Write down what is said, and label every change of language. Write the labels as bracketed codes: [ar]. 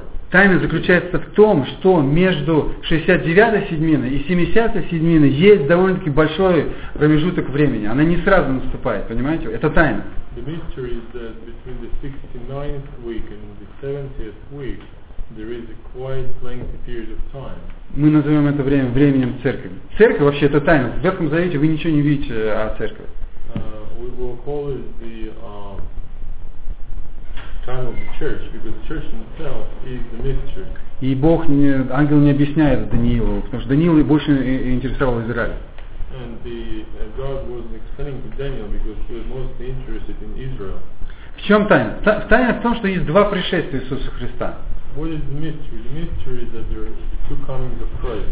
[ru] Тайна заключается в том, что между 69-й седьминой и 70-й седьминой есть довольно-таки большой промежуток времени. Она не сразу наступает, понимаете? Это тайна. [en] The mystery is that between the 69th week and the 70th week there is a quite lengthy period of time. [ru] Мы назовем это время временем церкви. Церковь вообще это тайна. В Ветхом Завете вы ничего не видите о церкви. [en] We will call it the time of the church, because the church itself is the mystery. [ru] И Бог, ангел не объясняет Даниилу, потому что Даниил больше интересовал Израиль. [en] And God was explaining to Daniel because he was most interested in Israel. [ru] В чем тайна? Тайна в том, что есть два пришествия Иисуса Христа. [en] What is the mystery? The mystery is that there are two comings of Christ.